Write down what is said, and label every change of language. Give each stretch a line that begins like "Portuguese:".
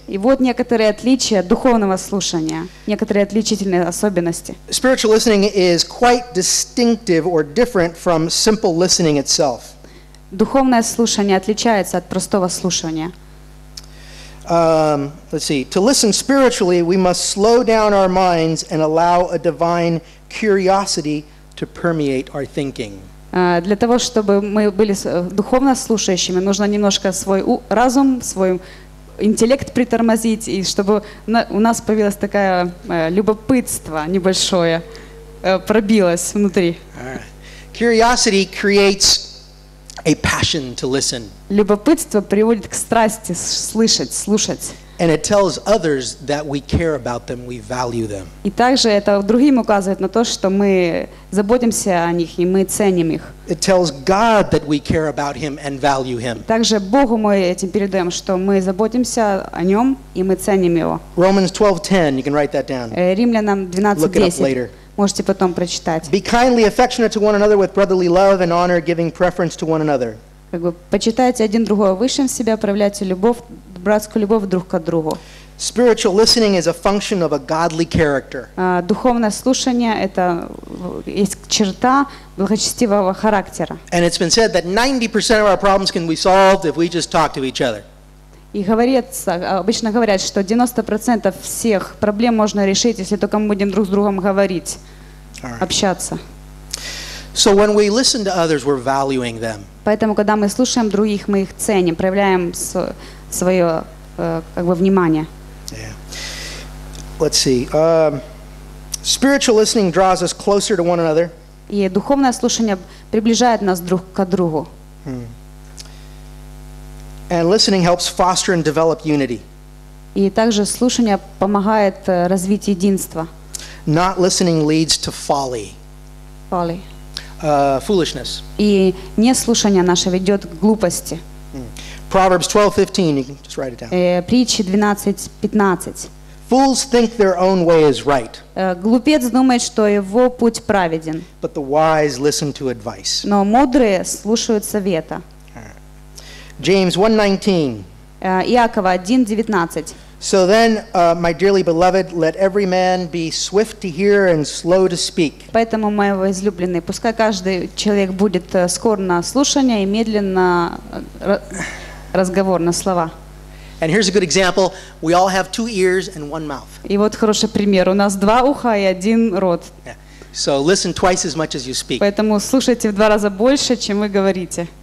Russian: И вот некоторые отличия духовного слушания, некоторые отличительные особенности.
English: Spiritual listening is quite distinctive or different from simple listening itself.
Russian: Духовное слушание отличается от простого слушания.
English: Let's see. To listen spiritually, we must slow down our minds and allow a divine curiosity to permeate our thinking.
Russian: Для того, чтобы мы были духовно слушающими, нужно немножко свой разум, свой интеллект притормозить, и чтобы у нас появилось такое любопытство небольшое, пробилось внутри.
English: Curiosity creates a passion to listen.
Russian: Любопытство приводит к страсти слышать, слушать.
English: And it tells others that we care about them, we value them.
Russian: И также это другим указывает на то, что мы заботимся о них и мы ценим их.
English: It tells God that we care about him and value him.
Russian: Также Богу мы этим передаем, что мы заботимся о нем и мы ценим его.
English: Romans 12:10, you can write that down.
Russian: Римлянам 12:10. Можете потом прочитать.
English: Be kindly affectionate to one another with brotherly love and honor, giving preference to one another.
Russian: Как бы почитайте один другого выше себя, проявляйте любовь. Братскую любовь друг к другу.
English: Spiritual listening is a function of a godly character.
Russian: Духовное слушание это есть черта благочестивого характера.
English: And it's been said that 90% of our problems can be solved if we just talk to each other.
Russian: И обычно говорят, что 90% всех проблем можно решить, если только мы будем друг с другом говорить, общаться.
English: So when we listen to others, we're valuing them.
Russian: Поэтому когда мы слушаем других, мы их ценим, проявляем свое как бы внимание.
English: Yeah. Let's see. Spiritual listening draws us closer to one another.
Russian: И духовное слушание приближает нас друг к другу.
English: And listening helps foster and develop unity.
Russian: И также слушание помогает развить единство.
English: Not listening leads to folly. Folly. Foolishness.
Russian: И неслушание наше ведет к глупости.
English: Proverbs 12:15, you can just write it down.
Russian: Притчи 12:15.
English: Fools think their own way is right.
Russian: Глупец думает, что его путь праведен.
English: But the wise listen to advice.
Russian: Но мудрые слушают совета.
English: James 1:19.
Russian: Иакова 1:19.
English: So then, my dearly beloved, let every man be swift to hear and slow to speak.
Russian: Поэтому, мои возлюбленные, пускай каждый человек будет скор на слушание и медленно разговор на слова.
English: And here's a good example. We all have two ears and one mouth.
Russian: И вот хороший пример. У нас два уха и один рот.
English: So listen twice as much as you speak.
Russian: Поэтому слушайте в два раза больше, чем вы говорите.